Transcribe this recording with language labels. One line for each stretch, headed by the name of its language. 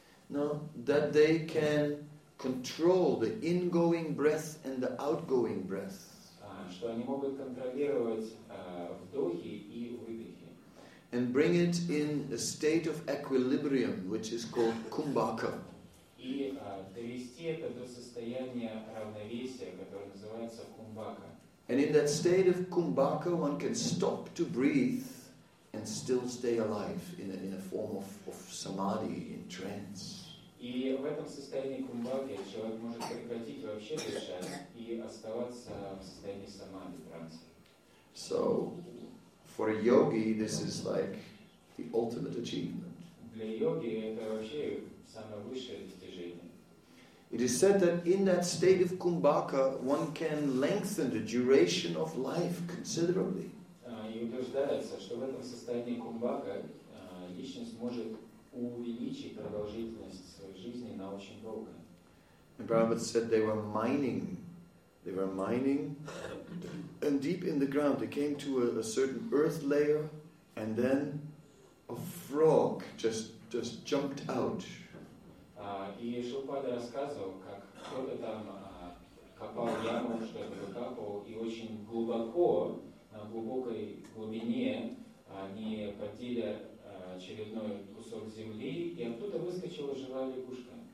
English: No, that they can control the ingoing breath and the outgoing breath.
Russian: Что они могут контролировать вдохи и выдохи.
English: And bring it in a state of equilibrium, which is called kumbhaka.
Russian: И довести это до состояния равновесия, которое называется кумбхака.
English: And in that state of kumbhaka, one can stop to breathe and still stay alive in a form of samadhi, in trance.
Russian: И в этом состоянии кумбхаки человек может прекратить вообще дышать и оставаться в состоянии самадхи, транса.
English: So, for a yogi, this is like the ultimate achievement.
Russian: Для йоги это вообще самое высшее достижение.
English: It is said that in that state of кумбхака one can lengthen the duration of life considerably.
Russian: И утверждается, что в этом состоянии кумбхака личность может увеличить продолжительность своей жизни на очень долго.
English: And Prabhupada said they were mining They were mining, and deep in the ground they came to a certain earth layer, and then a frog just jumped out.
Russian: И Шилпада рассказывал, как кто-то там копал яму, что-то выкапывал, и очень глубоко, на глубокой глубине, они подели очередной кусок земли, и оттуда выскочила живая лягушка.